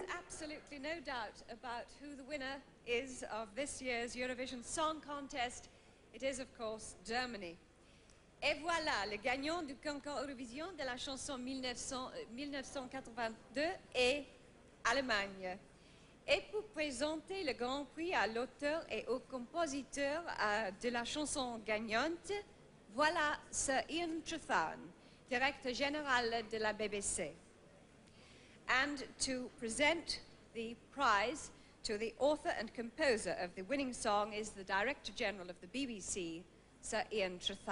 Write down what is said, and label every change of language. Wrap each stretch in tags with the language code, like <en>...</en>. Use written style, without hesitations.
<en>There is absolutely no doubt about who the winner is of this year's Eurovision Song Contest. It is, of course, Germany.</en> <fr>Et voilà, le gagnant du concours Eurovision de la chanson 1982 est Allemagne. Et pour présenter le Grand Prix à l'auteur et au compositeur de la chanson gagnante, voilà Sir Ian Trethewan, Directeur Général de la BBC.</fr> <en>And to present the prize to the author and composer of the winning song is the Director General of the BBC, Sir Ian Trethewan.</en>